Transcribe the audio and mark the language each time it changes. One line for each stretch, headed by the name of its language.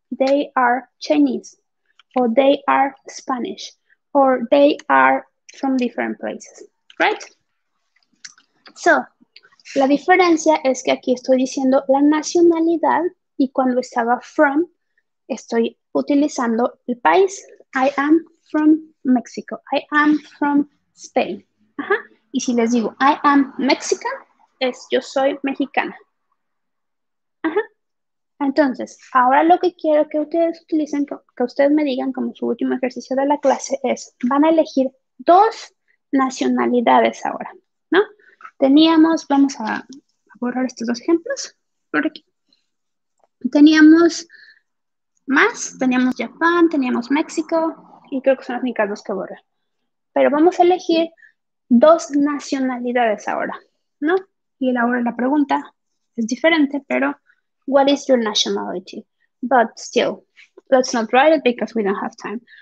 English: They are Chinese o they are Spanish or they are from different places, right?
Spanish: So, la diferencia es que aquí estoy diciendo la nacionalidad y cuando estaba from, estoy utilizando el país.
English: I am from Mexico. I am from Spain. Ajá.
Spanish: Y si les digo
English: I am Mexican,
Spanish: es yo soy mexicana. Ajá. Entonces, ahora lo que quiero que ustedes utilicen, que ustedes me digan como su último ejercicio de la clase es, van a elegir dos nacionalidades ahora, ¿no? Teníamos, vamos a borrar estos dos ejemplos, por aquí. Teníamos más, teníamos Japón, teníamos México, y creo que son las únicas dos que borré. Pero vamos a elegir dos nacionalidades ahora, ¿no? Y ahora la pregunta es diferente, pero
English: what is your nationality? But still, let's not write it because we don't have time.